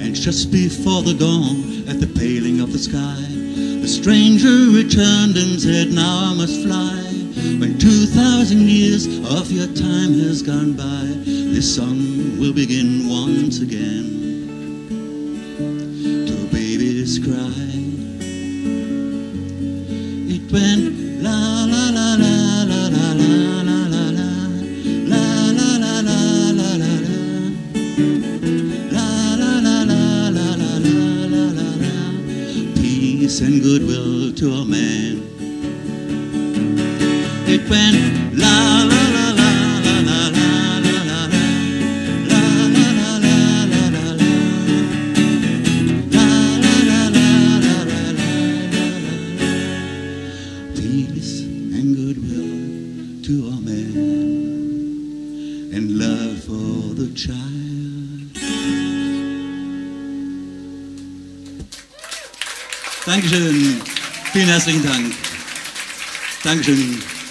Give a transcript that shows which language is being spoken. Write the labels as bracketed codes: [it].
[en] And just before the dawn, at the paling of the sky, the stranger returned and said, now I must fly. When 2,000 years of your time has gone by, this song will begin once again to a baby's cry. It went la la la la la la la la la la la la la la la la la la la la la la la la la la la. Peace and goodwill to all men. When la la la la la la la la la la la la la la la la la la la la la la la la. Peace and goodwill to all men, and love for the child. [de] Dankeschön. Vielen herzlichen Dank. Dankeschön.